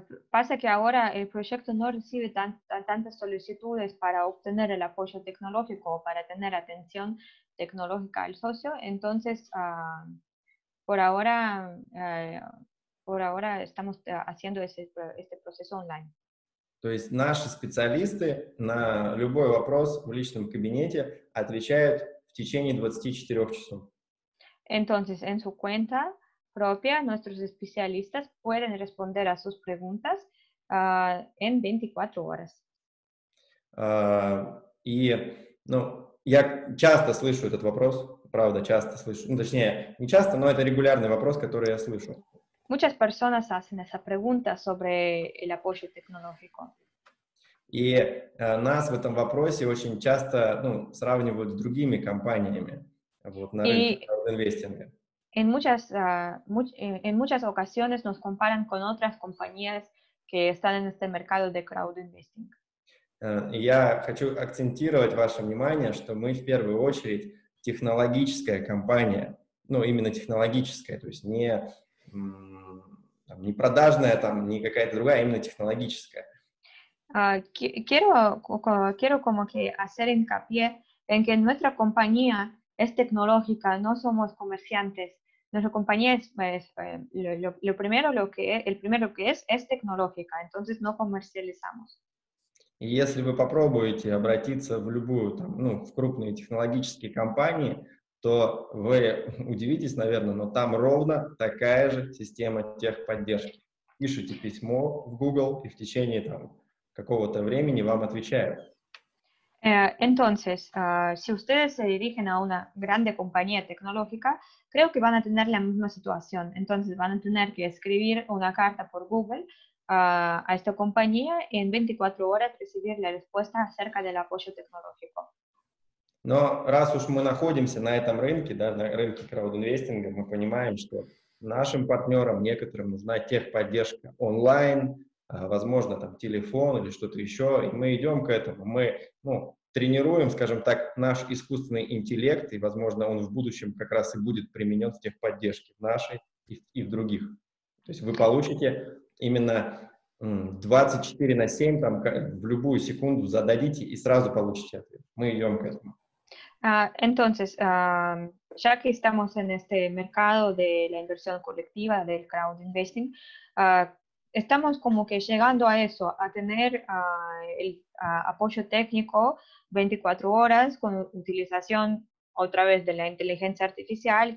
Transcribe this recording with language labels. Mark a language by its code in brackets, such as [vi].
[es] Pasa que ahora el proyecto no recibe tantas solicitudes para obtener el apoyo tecnológico o para tener atención tecnológica al socio, entonces por ahora estamos haciendo este proceso online. [ru] То есть наши специалисты на любой вопрос в личном кабинете отвечают в течение 24 часов. [es] Entonces, en su cuenta propia, nuestros especialistas pueden responder a sus preguntas en 24 horas. [ru] И, ну, я часто слышу этот вопрос, правда, часто слышу, ну, точнее, не часто, но это регулярный вопрос, который я слышу. [es] Muchas personas hacen esa pregunta sobre el apoyo tecnológico. [ru] И нас в этом вопросе очень часто, ну, сравнивают с другими компаниями вот, на рынке инвестинга. [es] En muchas ocasiones nos comparan con otras compañías que están en este mercado de crowdinvesting. [ru] Я хочу акцентировать ваше внимание, что мы в первую очередь технологическая компания, ну, именно технологическая, то есть не, там, не продажная, там, не какая-то другая, а именно технологическая. [es] Quiero como que hacer hincapié en que nuestra compañía es tecnológica, no somos comerciantes. Nuestra compañía es lo primero que es tecnológica, entonces no comercializamos. [ru] И если вы попробуете обратиться в любую, там, ну, в крупные технологические компании, то вы удивитесь, наверное, но там ровно такая же система техподдержки. Пишите письмо в Google, и в течение там какого-то времени вам отвечают. [es] Entonces, si ustedes se dirigen a una grande compañía tecnológica, creo que van a tener la misma situación. Entonces, van a tener que escribir una carta por Google a esta compañía y en 24 horas recibir la respuesta acerca del apoyo tecnológico. [ru] Но раз уж мы находимся на этом рынке, да, на рынке краудинвестинга, мы понимаем, что нашим партнерам некоторым нужна техподдержка онлайн, возможно, там, телефон или что-то еще, и мы идем к этому, мы, ну, тренируем, скажем так, наш искусственный интеллект, и, возможно, он в будущем как раз и будет применен в техподдержке, в нашей и в других. То есть вы получите именно 24/7, там, в любую секунду зададите и сразу получите ответ. Мы идем к этому. [es] Entonces, ya que estamos en este mercado de la inversión colectiva, del crowd investing, estamos como que llegando a eso, a tener apoyo técnico 24 horas con utilización otra vez de la inteligencia artificial.